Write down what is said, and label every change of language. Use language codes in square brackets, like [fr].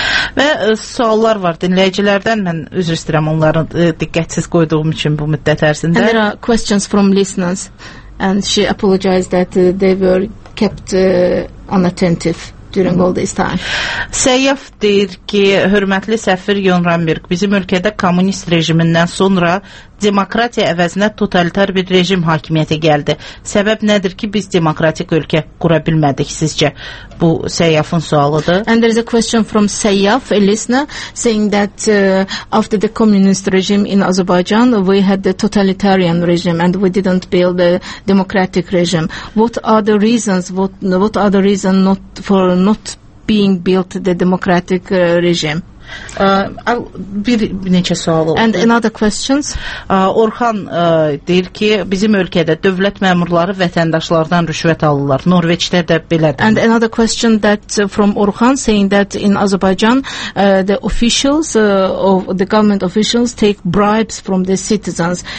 [az] Və suallar var dinləyicilərdən. Mən üzr istəyirəm onları diqqətsiz qoyduğum üçün bu müddət ərzində. [en] And there are questions from listeners and she apologized that they were kept unattentive during all this time. [az] Səyyaf deyir ki, hörmətli səfir Yon Ramberg, bizim ölkədə kommunist rejimindən sonra demokratiya əvəzinə totalitar bir rejim hakimiyyəti gəldi. Səbəb nədir ki, biz demokratik ölkə qura bilmədik sizcə? Bu Səyyafın sualıdır. [en] And there is a question from Səyyaf, a listener, saying that after the communist regime in Azerbaijan, we had the totalitarian regime and we didn't build a democratic regime. What are the reasons, what are the reasons not for not being built the democratic regime? [az] Bir neçə sual oldu. [en] And another questions. [az] Orxan deyir ki, bizim ölkədə dövlət məmurları vətəndaşlardan rüşvət alırlar. Norveçdə də belədir. [en] And another question that from Orxan saying that in Azerbaijan the officials of the government officials take bribes from the citizens.